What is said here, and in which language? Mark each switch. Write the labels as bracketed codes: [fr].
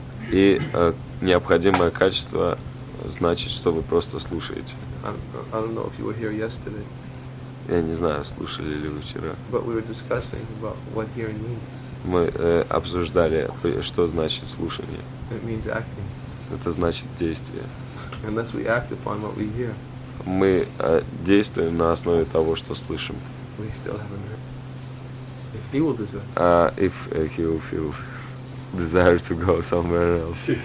[ru] И необходимое качество значит, что вы просто слушаете. [en] I don't know if you were here yesterday. [ru] Я не знаю, слушали ли вы вчера. [en] But we were discussing about what hearing means. [ru] Мы обсуждали, что значит слушание. [en] It means acting. [ru] Это значит действие. [en] Unless we act upon what we hear. [ru] Мы действуем на основе того, что слышим. [en] We still haven't heard. If he will desire. If he will feel desire to go somewhere else.